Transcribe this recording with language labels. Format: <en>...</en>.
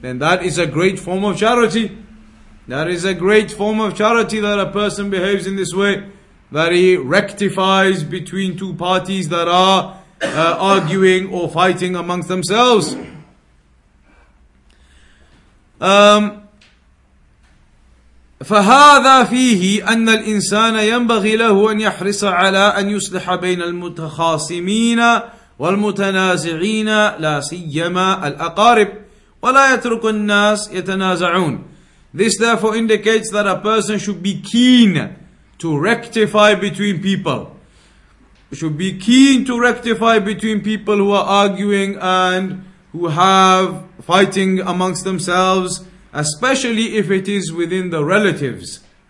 <en>Then that is a great form of charity. That is a great form of charity, that a person behaves in this way, that he rectifies between two parties that are arguing or fighting amongst themselves.</en> <ar>فهذا فيه أن الإنسان ينبغي له أن يحرص على أن يصلح بين المتخاصمين والمتنازعين لا سيما الأقارب ولا يترك الناس يتنازعون.</ar> <en>This therefore indicates that a person should be keen to rectify between people. Should be keen to rectify between people who are arguing and who have fighting amongst themselves, especially if it is within the relatives.</en>